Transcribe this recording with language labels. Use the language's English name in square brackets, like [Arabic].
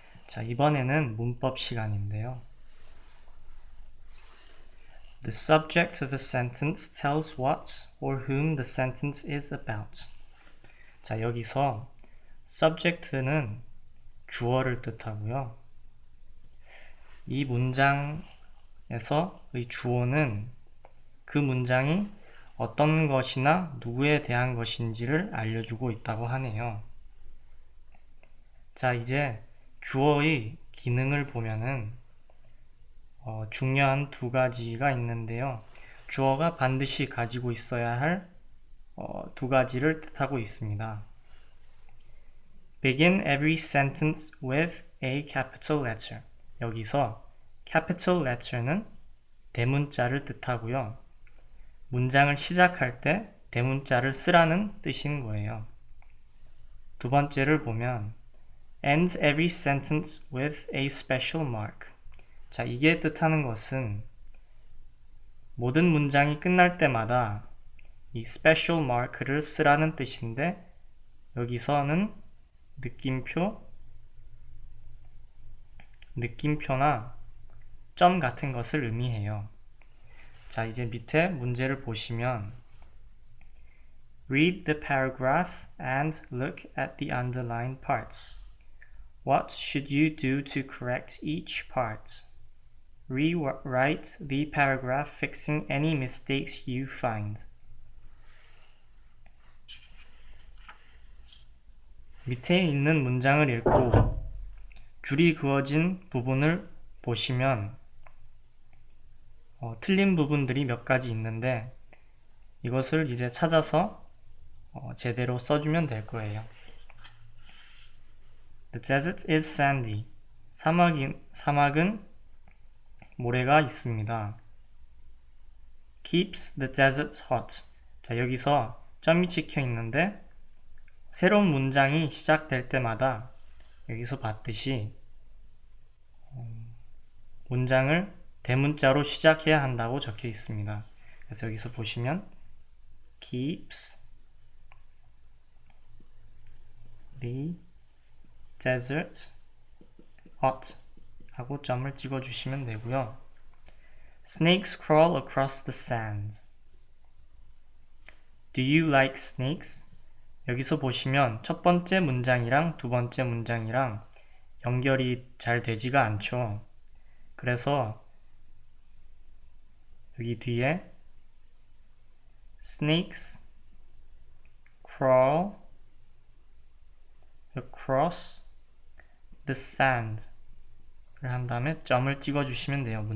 [Korean] 자, 이번에는 문법 시간인데요. [English] The subject of a sentence tells what or whom the sentence is about. [Korean] 자, 여기서 subject는 주어를 뜻하고요. 이 문장에서 의 주어는 그 문장이 어떤 것이나 누구에 대한 것인지를 알려주고 있다고 하네요. 자, 이제 주어의 기능을 보면은 중요한 두 가지가 있는데요. 주어가 반드시 가지고 있어야 할 두 가지를 뜻하고 있습니다. [English] Begin every sentence with a capital letter. [Korean] 여기서 capital letter는 대문자를 뜻하고요. 문장을 시작할 때 대문자를 쓰라는 뜻인 거예요. 두 번째를 보면 [English] End every sentence with a special mark. [Korean] 자, 이게 뜻하는 것은 모든 문장이 끝날 때마다 이 special mark를 쓰라는 뜻인데 여기서는 느낌표나 점 같은 것을 의미해요. 자, 이제 밑에 문제를 보시면 [English] Read the paragraph and look at the underlined parts. What should you do to correct each part? Rewrite the paragraph, fixing any mistakes you find. [Korean] 밑에 있는 문장을 읽고 줄이 그어진 부분을 보시면 틀린 부분들이 몇 가지 있는데 이것을 이제 찾아서 제대로 써주면 될 거예요. [English] The desert is sandy. [Korean] 사막은 모래가 있습니다. [English] Keeps the desert hot. [Korean] 자, 여기서 점이 찍혀 있는데, 새로운 문장이 시작될 때마다, 여기서 봤듯이, 문장을 대문자로 시작해야 한다고 적혀 있습니다. 그래서 여기서 보시면, [English] keeps the Desert hot [Korean] 하고 점을 찍어 주시면 되고요. [English] Snakes crawl across the sand. Do you like snakes? [Korean] 여기서 보시면 첫 번째 문장이랑 두 번째 문장이랑 연결이 잘 되지가 않죠. 그래서 여기 뒤에 [English] snakes crawl across The sand [Korean] 를 한 다음에 점을 찍어주시면 돼요.